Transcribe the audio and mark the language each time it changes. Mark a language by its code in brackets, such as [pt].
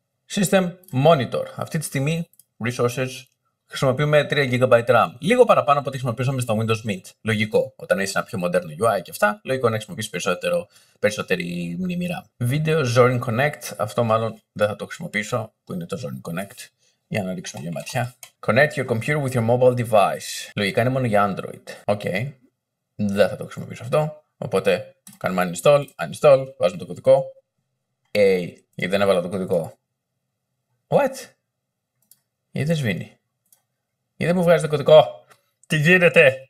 [el] System Monitor. Αυτή τη στιγμή, resources, χρησιμοποιούμε 3 GB RAM. Λίγο παραπάνω από ό,τι χρησιμοποιήσαμε στο Windows Mint. Λογικό. Όταν είσαι ένα πιο μοντέρνο UI και αυτά, λογικό να χρησιμοποιήσει περισσότερη μνήμη RAM. Video Zorin Connect. Αυτό μάλλον δεν θα το χρησιμοποιήσω, που είναι το Zorin Connect. Για να ρίξουμε μια ματιά. [en] Connect your computer with your mobile device. [el] Λογικά είναι μόνο για Android. Οκ. Δεν θα το χρησιμοποιήσω αυτό. Οπότε κάνουμε uninstall, βάζουμε το κωδικό. Hey, γιατί δεν έβαλα το κωδικό. What? Γιατί δεν σβήνει. Γιατί δεν μου βγάζει το κωδικό. Τι γίνεται.